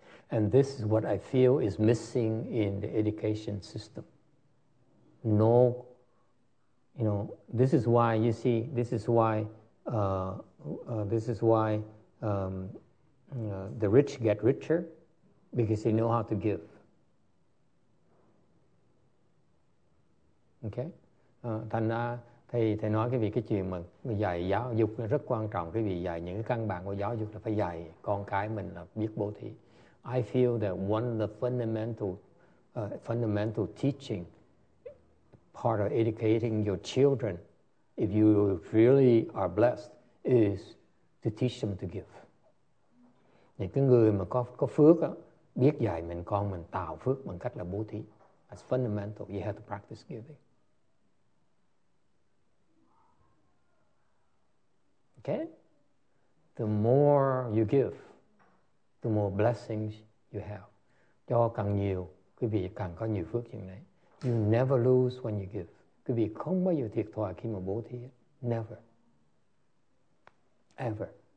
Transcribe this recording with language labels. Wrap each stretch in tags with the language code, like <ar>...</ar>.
<en>And this is what I feel is missing in the education system. No, you know, this is why, you see, this is why, the rich get richer because they know how to give. Okay?</en> <vi>Thành ra, thầy nói cái việc cái chuyện mà dạy giáo dục rất quan trọng, cái việc dạy những cái căn bản của giáo dục là phải dạy con cái mình là biết bố thí.</vi> <en>I feel that one of the fundamental teaching part of educating your children, if you really are blessed, is to teach them to give.</en> <vi>những cái người mà có phước á, biết dạy mình con mình tạo phước bằng cách là bố thí.</vi> <en>That's fundamental. You have to practice giving. Okay? The more you give, the more blessings you have.</en> <vi>Cho càng nhiều, quý vị càng có nhiều phước chừng đấy.</vi> <en>You never lose when you give.</en> <vi>Quý vị không bao giờ thiệt thòi khi mà bố thí.</vi> <en>Never. Ever.</en>